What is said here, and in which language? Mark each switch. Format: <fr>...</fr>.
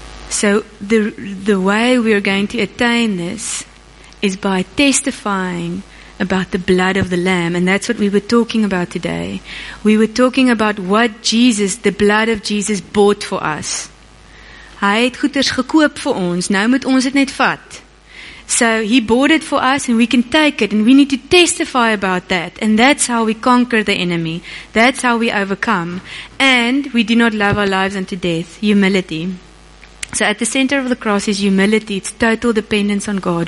<en>So the way we are going to attain this is by testifying about the blood of the Lamb. And that's what we were talking about today. We were talking about what Jesus, the blood of Jesus, bought for us.</en> <af>Hy het goeders gekoop vir ons, nou moet ons dit net vat.</af> <en>So he bought it for us, and we can take it, and we need to testify about that. And that's how we conquer the enemy. That's how we overcome. And we do not love our lives unto death. Humility. So at the center of the cross is humility. It's total dependence on God.</en>